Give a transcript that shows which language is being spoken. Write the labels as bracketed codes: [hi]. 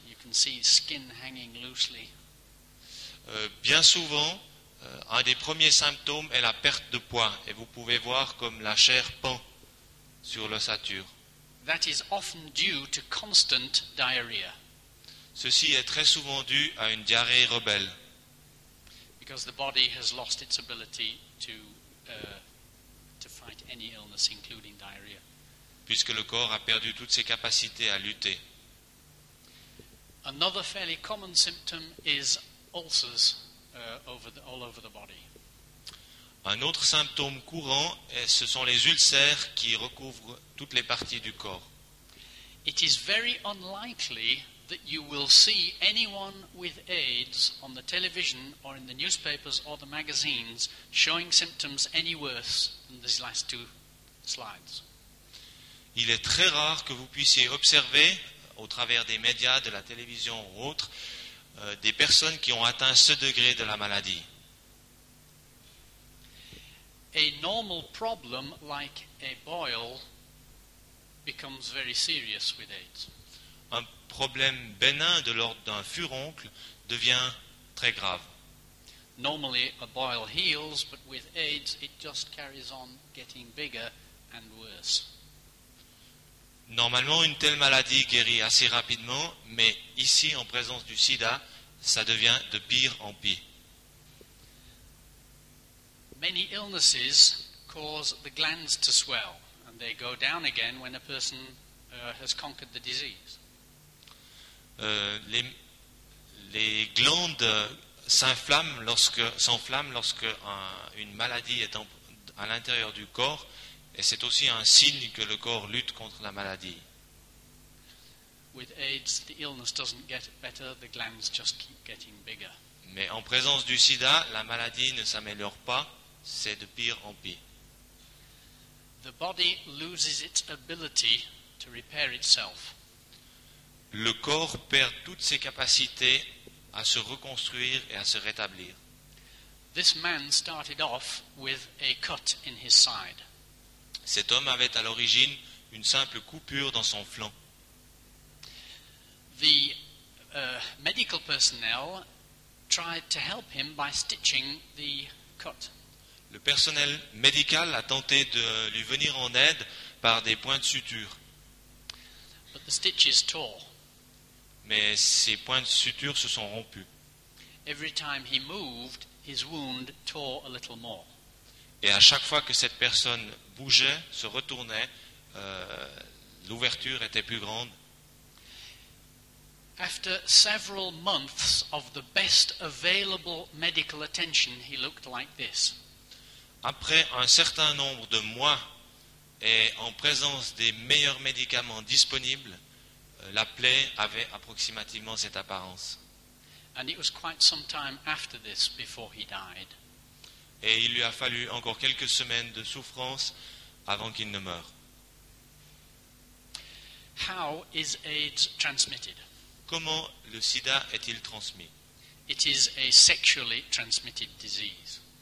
[en] You can see skin hanging loosely. [fr] Bien souvent, un des premiers symptômes est la perte de poids et vous pouvez voir comme la chair pend sur l'ossature. [en] That is often due to constant diarrhea. [fr] Ceci est très souvent dû à une diarrhée rebelle. [en] Because the body has lost its ability to fight any illness, including diarrhea. [fr] Puisque le corps a perdu toutes ses capacités à lutter. [en] Another fairly common symptom is ulcers all over the body. [fr] Un autre symptôme courant, ce sont les ulcères qui recouvrent toutes les parties du corps. [en] It is very unlikely that you will see anyone with AIDS on the television or in the newspapers or the magazines showing symptoms any worse than these last two slides. [fr] Il est très rare que vous puissiez observer au travers des médias, de la télévision ou autres, des personnes qui ont atteint ce degré de la maladie. [en] A normal problem like a boil becomes very serious with AIDS. [fr] Un problème bénin de l'ordre d'un furoncle devient très grave. [en] Normally a boil heals, but with AIDS it just carries on getting bigger and worse. [fr] Normalement, une telle maladie guérit assez rapidement, mais ici, en présence du sida, ça devient de pire en pire. [en] Many illnesses cause the glands to swell, and they go down again when a person has conquered the disease. [fr] Les glandes s'enflamment lorsque une maladie est à l'intérieur du corps, et c'est aussi un signe que le corps lutte contre la maladie. [en] With AIDS, the illness doesn't get better, the glands just keep getting bigger. [fr] Mais en présence du sida, la maladie ne s'améliore pas, c'est de pire en pire. [en] The body loses its ability to repair itself. [fr] Le corps perd toutes ses capacités à se reconstruire et à se rétablir. [en] This man started off with a cut in his side. [fr] Cet homme avait à l'origine une simple coupure dans son flanc. [en] The medical personnel tried to help him by stitching the cut. [fr] Le personnel médical a tenté de lui venir en aide par des points de suture. [en] But the stitches tore. [fr] Mais ces points de suture se sont rompus. [en] Every time he moved, his wound tore a little more. [fr] Et à chaque fois que cette personne bougeait, se retournait, l'ouverture était plus grande. [en] After several months of the best available medical attention, he looked like this. [fr] Après un certain nombre de mois et en présence des meilleurs médicaments disponibles, la plaie avait approximativement cette apparence. [en] And it was quite some time after this before he died. [fr] Et il lui a fallu encore quelques semaines de souffrance avant qu'il ne meure. [en] How is AIDS transmitted? [fr] Comment le sida est-il transmis? [en] It is a sexually transmitted disease.